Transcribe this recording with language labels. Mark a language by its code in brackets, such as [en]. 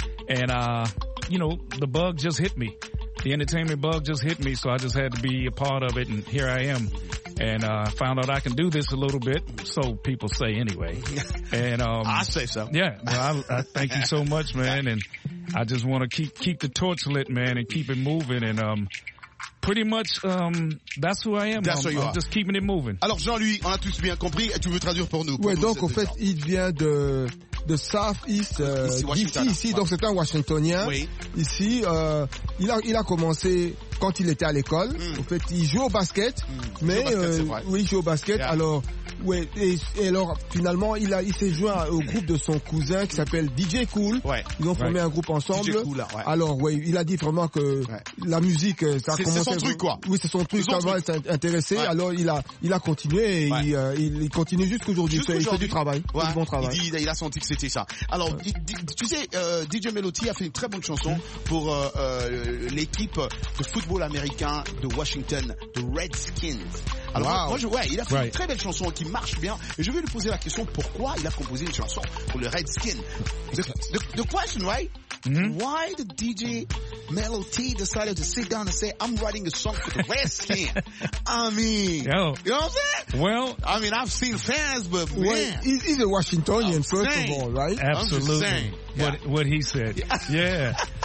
[en] And, you know, the bug just hit me. The entertainment bug just hit me, so I just had to be a part of it, and here I am. And found out I can do this a little bit, so people say anyway. And I say so. Yeah, well, I thank you so much, man. And I just want to keep the torch lit, man, and keep it moving. And pretty much, that's who I am. That's who you are. I'm just keeping it moving. [fr] Alors, Jean-Louis, on a tous bien compris, et tu veux traduire pour nous. Ouais, pour donc, en fait, gens. Il vient de Southeast, ici, donc c'est un Washingtonien. Oui. Ici, il a commencé quand il était à l'école. Mm. En fait, il joue au basket. Mm. Mais, il joue au basket. Yeah. Alors, ouais, et alors, finalement, il s'est joint au groupe de son cousin qui s'appelle DJ Kool. Ouais. Ils ont formé un groupe ensemble. DJ Kool, ouais. Alors, ouais, il a dit vraiment que la musique, ça a commencé. C'est son truc, quoi. Oui, c'est son truc. Ça va être intéressé. Ouais. Alors, il a continué et il continue jusqu'à aujourd'hui. Il fait du travail. Ouais. Du bon travail. Il a senti que c'était ça. Alors, tu sais, DJ Melody a fait une très bonne chanson pour l'équipe de football américain de Washington, de Redskins. Alors, il a fait une très belle chanson qui marche bien. Et je vais lui poser la question, pourquoi il a composé une chanson pour le Redskin? [en] The question, right? Mm-hmm. Why did DJ Melody decide to sit down and say, I'm writing a song for the Redskin? I mean, yo. You know what I'm saying? Well, I mean, I've seen fans, but man. Well, he's a Washingtonian, first of all, right? Absolutely. Yeah. What he said. Yeah.